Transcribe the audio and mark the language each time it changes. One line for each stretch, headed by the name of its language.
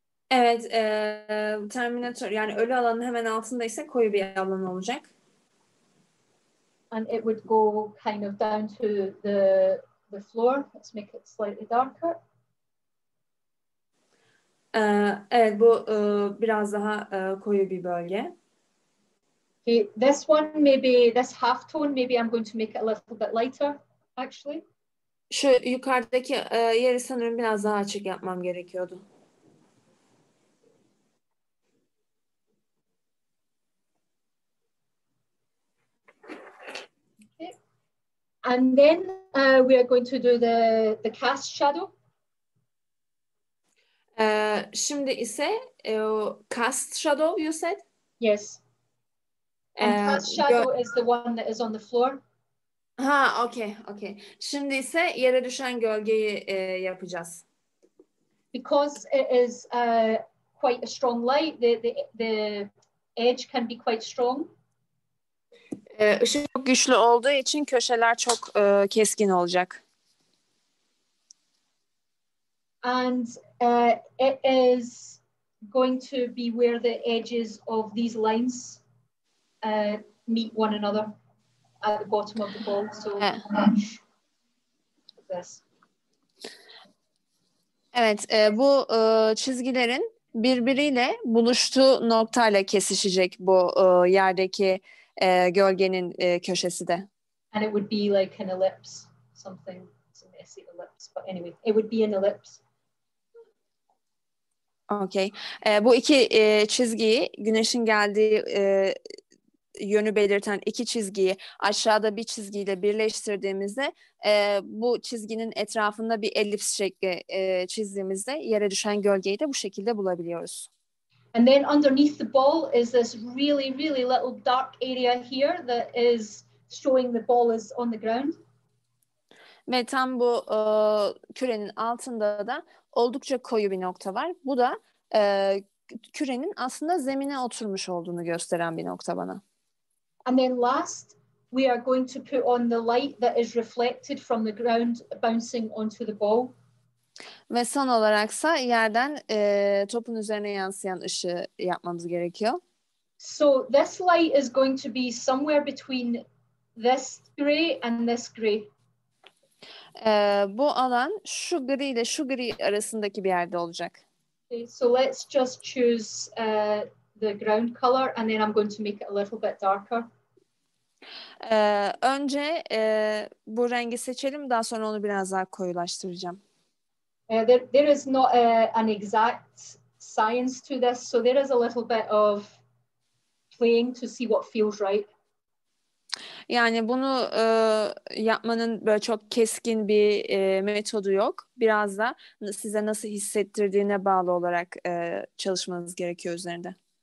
Turkish: Evet, terminator yani ölü alanın hemen altında ise koyu bir alan olacak.
English: And it would go kind of down to the floor. Let's make it slightly darker.
Turkish: Evet, bu biraz daha koyu bir bölge.
English: Okay, this one maybe, this half tone maybe I'm going to make it a little bit lighter, actually.
Turkish: Şu yukarıdaki yeri sanırım biraz daha açık yapmam gerekiyordu.
English: Okay. And then we are going to do the cast shadow.
Turkish: Şimdi ise
English: cast shadow you said? Yes. Cast shadow is the one that is on the floor.
Turkish: Ha, okay. Şimdi ise yere düşen gölgeyi yapacağız.
English: Because it is quite a strong light, the edge can be quite strong.
Turkish: Işık çok güçlü olduğu için köşeler çok keskin olacak.
English: And it is going to be where the edges of these lines meet one another at the bottom of the ball. So this.
Turkish: Evet, bu çizgilerin birbiriyle buluştuğu noktayla kesişecek bu yerdeki gölgenin köşesi de.
English: And it would be like an ellipse, something. It's a messy ellipse, but anyway, it would be an ellipse. Okay.
Turkish: Bu iki çizgiyi, güneşin geldiği yönü belirten iki çizgiyi aşağıda bir çizgiyle birleştirdiğimizde bu çizginin etrafında bir elips şekli çizdiğimizde yere düşen gölgeyi de bu şekilde bulabiliyoruz.
English: And then underneath the ball is this really, really little dark area here that is showing the ball is on the ground.
Turkish: Ve tam bu kürenin altında da oldukça koyu bir nokta var. Bu da kürenin aslında zemine oturmuş olduğunu gösteren bir nokta bana.
English: And then last, we are going to put on the light that is reflected from the ground bouncing onto the ball.
Turkish: Ve son olaraksa yerden topun üzerine yansıyan ışığı yapmamız gerekiyor.
English: So this light is going to be somewhere between this gray and this gray.
Turkish: Bu alan şu gri ile şu gri arasındaki bir yerde olacak.
English: Okay, so let's just choose the ground color and then I'm going to make it a little bit darker.
Turkish: Önce bu rengi seçelim, daha sonra onu biraz daha koyulaştıracağım.
English: There is not an exact science to this, so there is a little bit of playing to see what feels right.
Turkish: Yani bunu yapmanın böyle çok keskin bir metodu yok. Biraz da size nasıl hissettirdiğine bağlı olarak çalışmanız gerekiyor üzerinde.